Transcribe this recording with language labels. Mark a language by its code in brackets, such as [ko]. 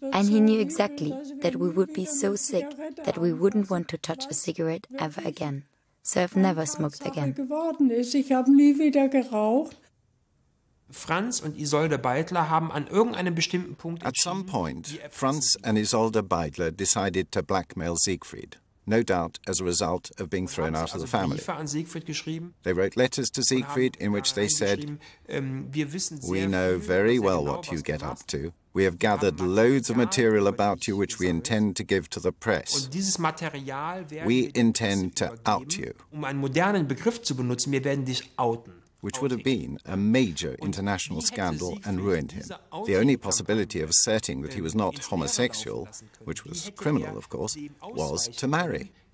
[en] and he knew exactly that we would be so sick that we wouldn't want to touch a cigarette ever again. So I've never smoked again. [de] Ich habe nie wieder geraucht. Franz und Isolde Beidler haben an irgendeinem bestimmten Punkt [en] At some point, Franz and Isolde Beidler decided to blackmail Siegfried, no doubt as a result of being thrown out of the family. They wrote letters to Siegfried in which they said, we know very well what you get up to. We have gathered loads of material about you which we intend to give to the press. We intend to out you. [de] Um einen modernen Begriff zu benutzen, wir werden dich outen. [en] Which would have been a major international scandal and ruined him. The only possibility of asserting that he was not homosexual, which was criminal, of course, was to marry.